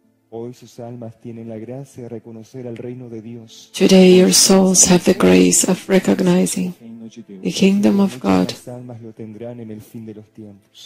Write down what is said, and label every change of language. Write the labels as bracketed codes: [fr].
[es] Hoy sus almas tienen la gracia de reconocer al reino de Dios. [en] Today your souls have the grace of recognizing the kingdom of God. [es] Muchas almas lo tendrán en el fin de los tiempos.